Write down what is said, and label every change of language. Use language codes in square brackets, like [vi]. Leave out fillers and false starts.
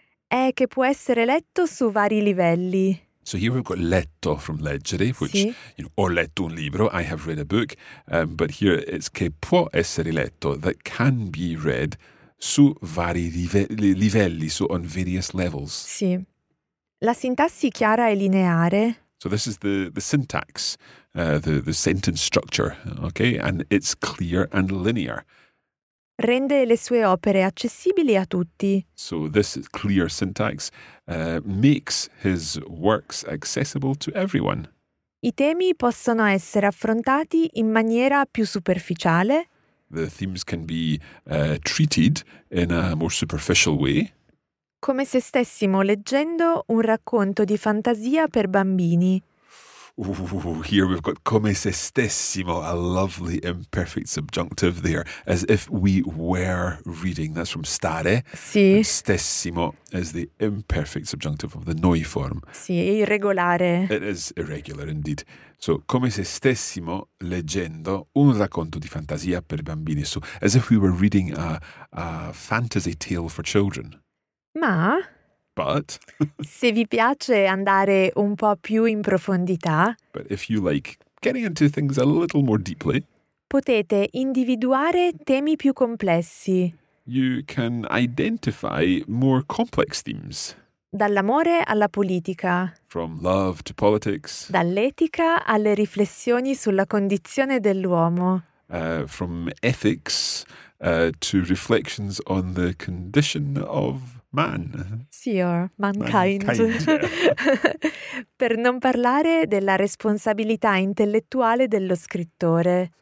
[it] È che può essere letto su vari livelli. [en] So here we've got letto from leggere, which, [it] sì. [en] You know, [it] ho letto un libro, [en] I have read a book. But here it's [it] che può essere letto, [en] that can be read [it] su vari livelli, [en] so on various levels. [it] Sì. La sintassi chiara e lineare. [en] So this is the syntax, the sentence structure, okay? And it's clear and linear. [it] Rende le sue opere accessibili a tutti. [en] So this clear syntax makes his works accessible to everyone. [it] I temi possono essere affrontati in maniera più superficiale. [en] The themes can be treated in a more superficial way. [it] Come se stessimo leggendo un racconto di fantasia per bambini. [en] Ooh, here we've got [it] come se stessimo, [en] a lovely imperfect subjunctive there, as if we were reading. That's from stare. [it] Sì. [en] Stessimo is the imperfect subjunctive of the noi form. [it] Sì, irregolare. [en] It is irregular indeed. [it] So, come se stessimo leggendo un racconto di fantasia per bambini. [en] So, as if we were reading a fantasy tale for children. [it] Ma, [en] but, [it] se vi piace andare un po' più in profondità, [en] but if you like getting into things a little more deeply, [it] potete individuare temi più complessi. [en] You can identify more complex themes. [it] Dall'amore alla politica. [en] From love to politics. [it] Dall'etica alle riflessioni sulla condizione dell'uomo. [en] From ethics to reflections on the condition of... Man. Sì, or mankind. Mankind, yeah. [it] Per non parlare della responsabilità intellettuale dello scrittore.